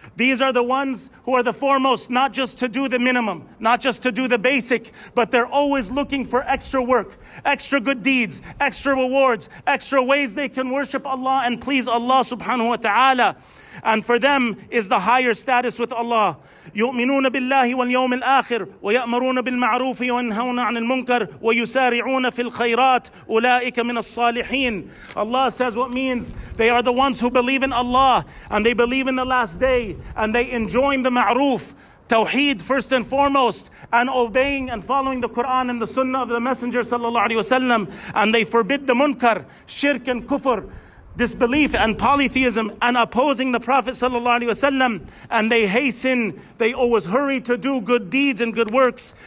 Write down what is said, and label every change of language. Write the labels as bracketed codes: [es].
[en] These are the ones who are the foremost, not just to do the minimum, not just to do the basic, but they're always looking for extra work, extra good deeds, extra rewards, extra ways they can worship Allah and please Allah subhanahu wa ta'ala. And for them is the higher status with Allah. [ar] يؤمنون بالله واليوم الآخر ويأمرون بالمعروف وينهون عن المنكر ويسارعون في الخيرات أولئك من الصالحين. [en] Allah says what means they are the ones who believe in Allah and they believe in the last day and they enjoin the ma'roof, Tawheed first and foremost, and obeying and following the Quran and the Sunnah of the Messenger sallallahu alaihi wasallam, and they forbid the munkar, shirk and kufr, disbelief and polytheism, and opposing the Prophet sallallahu alaihi wasallam, and they hasten, they always hurry to do good deeds and good works.